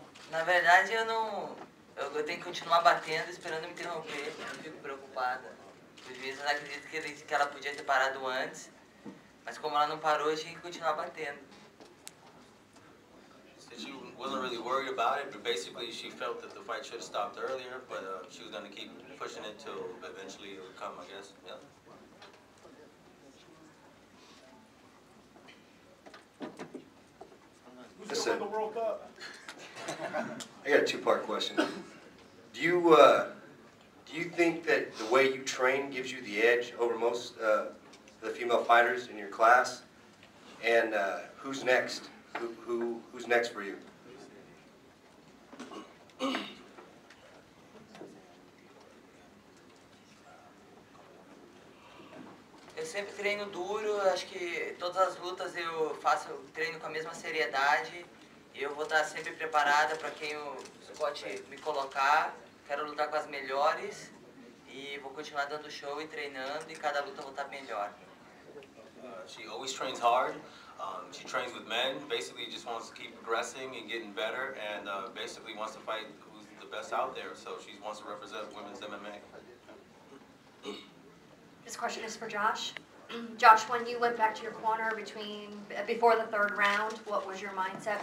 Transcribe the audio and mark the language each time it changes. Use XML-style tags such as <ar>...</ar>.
<pt>Na verdade, eu tenho que continuar batendo, esperando me interromper. Eu fico preocupada. Às vezes eu acredito que ela podia ter parado antes, mas como ela não parou, eu tinha que continuar batendo.</pt> <en>She wasn't really worried about it, but basically she felt that the fight should have stopped earlier, but she was going to keep pushing it till eventually it would come, I guess. Yeah. Who's going to the World Cup? I got a two-part question. Do you think that the way you train gives you the edge over most of the female fighters in your class? And who's next? Who's next for you?</en> <pt>Eu sempre treino duro, acho que todas as lutas eu faço treino com a mesma seriedade. Eu vou estar sempre preparada para quem o Scott me colocar. Quero lutar com as melhores e vou continuar dando show e treinando, e cada luta vou estar melhor.</pt> <en>She always trains hard. She trains with men, basically just wants to keep progressing and getting better, and basically wants to fight who's the best out there. So she wants to represent women's MMA. This question is for Josh. Josh, when you went back to your corner before the third round, what was your mindset?</en>